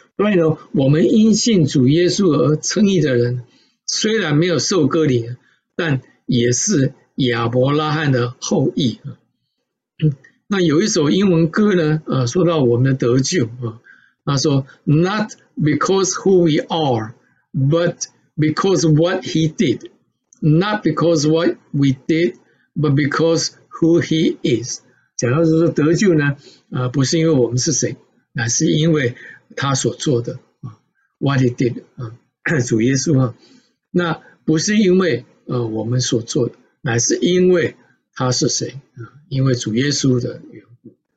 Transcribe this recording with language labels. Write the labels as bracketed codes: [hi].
[zh] 所以呢，我们因信主耶稣而称义的人，虽然没有受割礼，但也是亚伯拉罕的后裔。那有一首英文歌呢说到我们的得救，他说 [en] Not because who we are, but because of what he did, not because what we did, but because who he is. [zh] 讲到是说得救呢，不是因为我们是谁，乃是因为他所做的 [en] what he did [zh] 主耶稣啊，那不是因为我们所做的，乃是因为他是谁因为主耶稣的缘故。